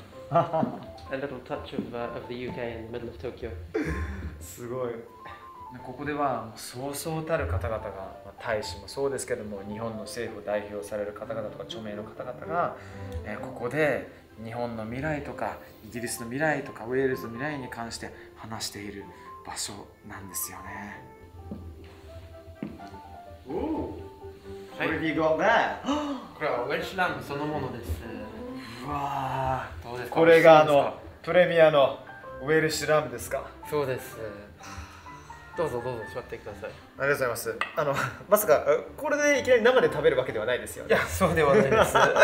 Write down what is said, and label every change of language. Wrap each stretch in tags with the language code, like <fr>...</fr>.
<en>A little touch of the UK in the middle of Tokyo.</en> <ja>すごい。ここではそうそうたる方々が、まあ、大使もそうですけども、日本の政府を代表される方々とか著名の方々が、ここで日本の未来とかイギリスの未来とかウェールズの未来に関して話している。場所なんですよね。おお、はい、</ja> <en>What have you got there?</en> <ja>これはウェルシュラムそのものです。うわどうですか、これがあのプレミアのウェルシュラムですか。そうです。どうぞどうぞ座ってください。ありがとうございます。あのまさかこれでいきなり生で食べるわけではないですよね。いやそうではないです</ja>